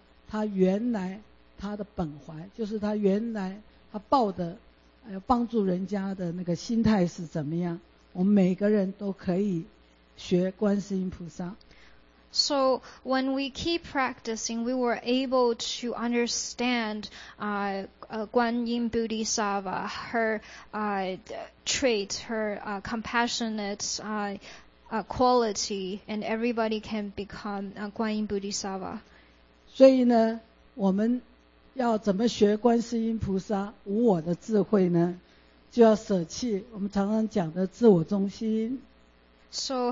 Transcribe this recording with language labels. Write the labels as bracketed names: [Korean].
[Chinese] 所以呢，假如我们每个人呢，都照着观世音菩萨修行的法门啊，我们应该很容易就能够理解到观世音菩萨他原来。他的本怀就是他原来他抱的帮助人家的那个心态是怎么样？我们每个人都可以学观世音菩萨。So [English] when we keep practicing, we were able to understand Guan Yin Bodhisattva, her trait, her compassionate quality, and everybody can become Guan Yin Bodhisattva. [Chinese] 所以呢，我们 要怎么学观世音菩萨无我的智慧呢？就要舍弃我们常常讲的自我中心。So